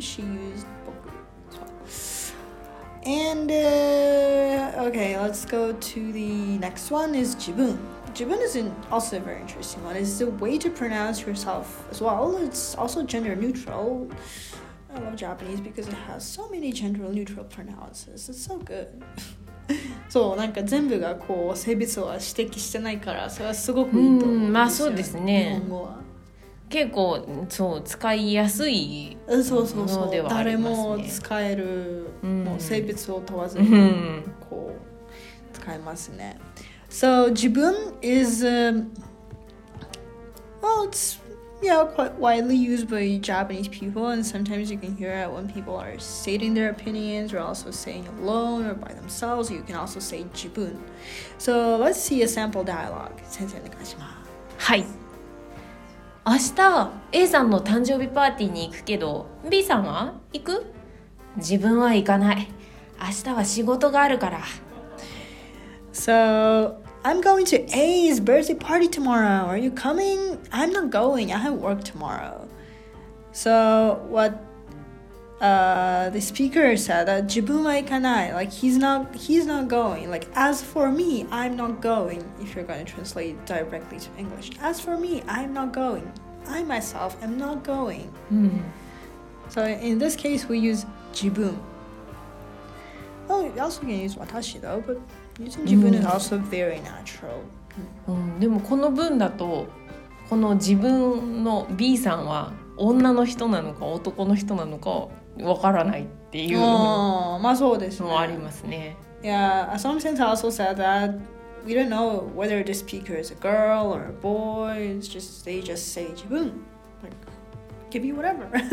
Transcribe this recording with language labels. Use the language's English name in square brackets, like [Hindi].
[English] She used boku as well. And okay, let's go to the next one. Is jibun? Jibun is also a very interesting one. It's a way to pronounce yourself as well. It's also gender neutral. I love Japanese because it has so many gender neutral pronounces. It's so good. [Japanese] そう、なんか全部がこう性別を指摘してないから、それはすごくいいと思うんですよ、ね、まあそうですね、日本語は結構そう使いやすいものではありますね。そうそうそう、誰も使える、うん、もう性別を問わずにこう使えますね。 [English] So 自分 is well it's yeah quite widely used by Japanese people, and sometimes you can hear it when people are stating their opinions or also saying alone or by themselves. You can also say 自分.So let's see a sample dialogue. [Japanese] 先生お願いします。はい、明日 A さんの誕生日パーティーに行くけど B さんは行く？自分は行かない。明日は仕事があるから。 [English] So I'm going to A's birthday party tomorrow. Are you coming? I'm not going. I have work tomorrow. So what the speaker said that [Japanese] 自分は行かない [English] like he's not going. Like as for me, I'm not going. If you're going to translate directly to English, as for me, I'm not going. I myself am not going. So in this case, we use 自分. Oh, you also can use 私 though, but using 自分 is also very natural. [Japanese] でもこの文だとこの自分の B さんは女の人なのか男の人なのか。わからないっていうまあそうですもありますね。 [English] Yeah, some sense also said that we don't know whether the speaker is a girl or a boy. It's just they just say 自分 like give you whatever.